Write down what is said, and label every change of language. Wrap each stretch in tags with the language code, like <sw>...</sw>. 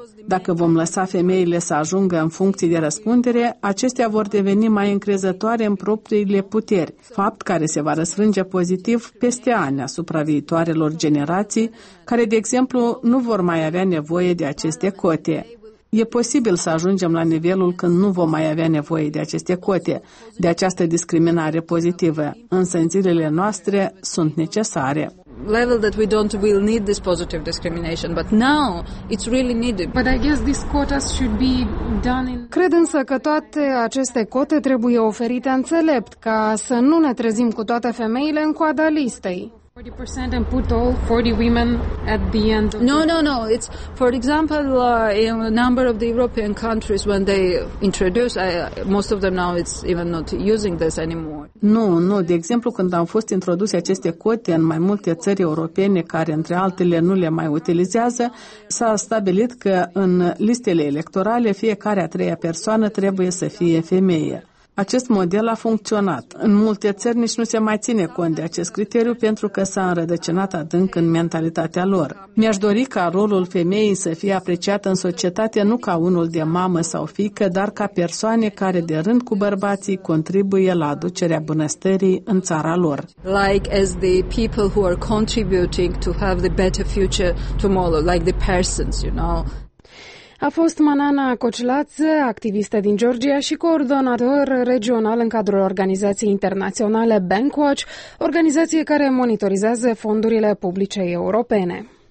<ro>Dacă vom lăsa femeile să ajungă în funcții de răspundere, acestea vor deveni mai încrezătoare în propriile puteri, fapt care se va răsfrânge pozitiv peste ani asupra viitoarelor generații, care, de exemplu, nu vor mai avea nevoie de aceste cote. E posibil să ajungem la nivelul când nu vom mai avea nevoie de aceste cote, de această discriminare pozitivă, însă în zilele noastre sunt necesare.</ro> <en>Level that we don't will need this positive discrimination, but now it's really needed. But I guess these quotas should be done in.</en> <ro>Cred însă că toate aceste cote trebuie oferite înțelept, ca să nu ne trezim cu toate femeile în coada listei.</ro> <en>40% and put all 40 women at the end. No. It's, for example, in a number of the European countries when they introduce, most of them now it's even not using this anymore.</en> <ro>Nu. De exemplu, când au fost introduse aceste cote în mai multe țări europene care, între altele, nu le mai utilizează, s-a stabilit că în listele electorale fiecare a treia persoană trebuie să fie femeie. Acest model a funcționat. În multe țări nici nu se mai ține cont de acest criteriu pentru că s-a înrădăcinat adânc în mentalitatea lor. Mi-aș dori ca rolul femeii să fie apreciat în societate nu ca unul de mamă sau fiică, dar ca persoane care de rând cu bărbații contribuie la aducerea bunăstării în țara lor.</ro> <en>Like as the people who are contributing to have the better future tomorrow, like the persons, you know.</en> <ro>A fost Manana Cocilață, activistă din Georgia și coordonator regional în cadrul organizației internaționale Bankwatch, organizație care monitorizează fondurile publice europene.</ro>